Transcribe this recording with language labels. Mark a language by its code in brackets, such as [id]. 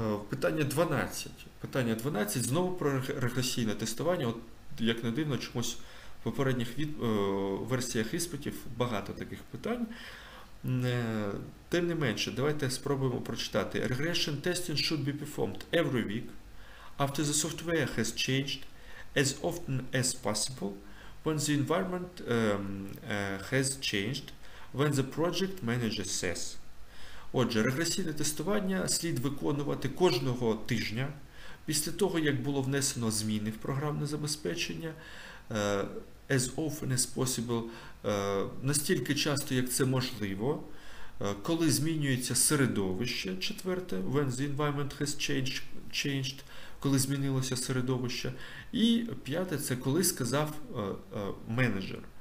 [uk] Питання 12. Питання 12 знову про регресійне тестування. От, як не дивно, чомусь в попередніх версіях іспитів багато таких питань. Тим не менше, давайте спробуємо прочитати. [en] Regression testing should be performed every week after the software has changed as often as possible when the environment has changed, when the project manager says. [uk] Отже, регресійне тестування слід виконувати кожного тижня після того, як було внесено зміни в програмне забезпечення, [en] as often as possible, [uk] настільки часто, як це можливо, коли змінюється середовище, четверте, [en] when the environment has changed, [uk] коли змінилося середовище, і п'яте, це коли сказав менеджер.